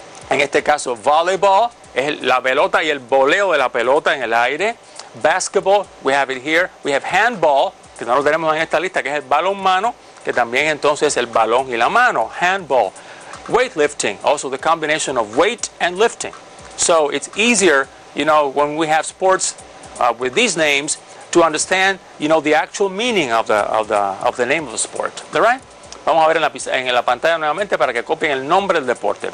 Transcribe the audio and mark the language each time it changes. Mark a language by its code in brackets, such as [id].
[es] En este caso, volleyball, es la pelota y el voleo de la pelota en el aire. [en] Basketball, we have it here. We have handball, [es] que no lo tenemos en esta lista, que es el balonmano, que también entonces es el balón y la mano. [en] Handball. Weightlifting, also the combination of weight and lifting. So it's easier, you know, when we have sports with these names to understand, you know, the actual meaning of the name of the sport. All right? [es] Vamos a ver en la pantalla nuevamente para que copien el nombre del deporte.